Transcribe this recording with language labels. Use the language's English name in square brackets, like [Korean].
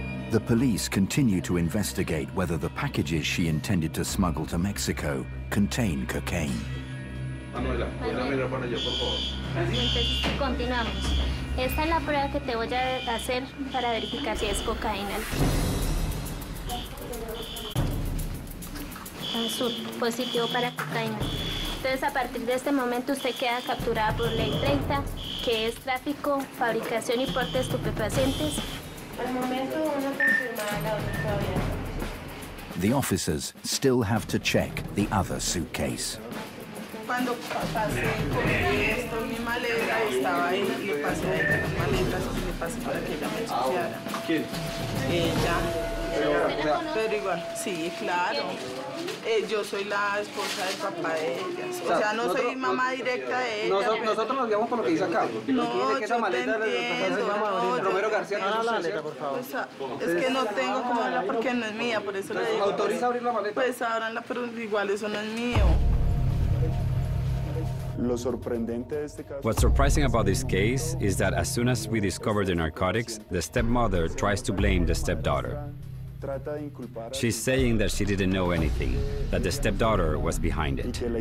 [English] The police continue to investigate whether the packages she intended to smuggle to Mexico contain cocaine. [Spanish] Manuela, voy a mirar para allá, por favor. Continuamos. Esta es la prueba que te voy a hacer para verificar si es cocaína. Azul, positivo para cocaína. Entonces, a partir de este momento, usted queda capturada por ley 30, que es tráfico, fabricación y porte de estupefacientes. Al momento, una confirmada, la otra todavía. [English] The officers still have to check the other suitcase. [Spanish] Cuando pasé, compré esto, mi maleta estaba ahí, y pasé ahí las maletas, y me pasé para que ella me chequeara. ¿Quién? Ella. Pero igual. Sí, claro. Yo soy la esposa del papá de ellas. O sea, no soy mamá directa de ellas. Nosotros nos guiamos por lo que dice acá. No, yo te entiendo. Romero García, no la maleta, por favor. Es que no tengo como abrirla porque no es mía, por eso le digo. ¿Autoriza abrir la maleta? Pues ábranla, pero igual eso no es mío. [English] What's surprising about this case is that as soon as we discover the narcotics, the stepmother tries to blame the stepdaughter. She's saying that she didn't know anything, that the stepdaughter was behind it.